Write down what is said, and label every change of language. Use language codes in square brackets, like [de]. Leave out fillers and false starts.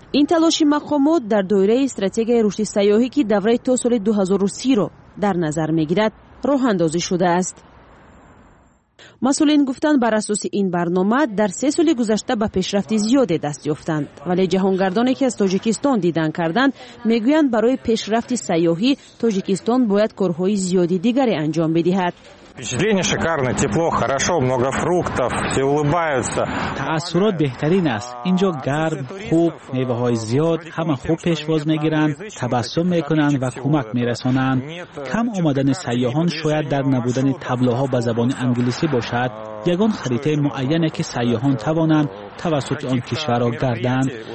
[fa] این تلاش مقامات در دایره استراتژی رشد سیاحی که دوره تا سال 2030 را در نظر میگیرد، راه اندازی شده است. مسئولین گفتند بر اساس این برنامه در 3 سال گذشته به پیشرفت زیادی دست یافتند، ولی جهانگردانی که از تاجیکستان دیدن کردند میگویند برای پیشرفت سیاحی تاجیکستان باید کارهای زیادی دیگری انجام بدهد. [ru] впечатление шикарно, тепло, хорошо, много фруктов, все улыбаются. [fa] تأثیرات بهترین است. اینجا گرم، خوب، میوه‌های زیاد، همه خوب پیشواز می‌گیرند، تبسم می‌کنند و کمک می‌رسانند. کم آمدن سیاحان شاید در نبودن تبلیغات به زبان انگلیسی باشد. یگان خریطه معینه که سیاحان توانند توسط آن کشور را گردند.